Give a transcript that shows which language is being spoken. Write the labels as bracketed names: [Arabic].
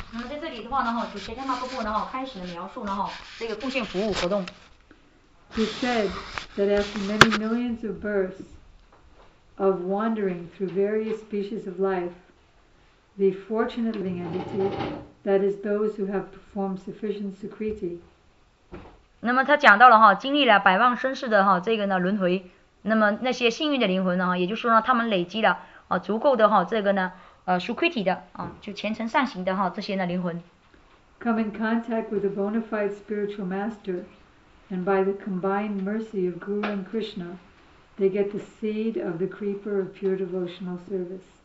[Chinese] 在这里的话呢，我就先看到部分呢，开始了描述呢，这个贡献服务活动。 [English] He said that after many millions of births of wandering through various species of life, the fortunate living entity, that is those who have performed sufficient sukriti. [Chinese] 那么他讲到了经历了百万生世的轮回。那么那些幸运的灵魂呢，也就是说呢，他们累积了足够的这个呢，sukriti的，就虔诚善行的这些呢灵魂。 [English] Come in contact with a bona fide spiritual master, and by the combined mercy of Guru and Krishna, they get the seed of the creeper of pure devotional service.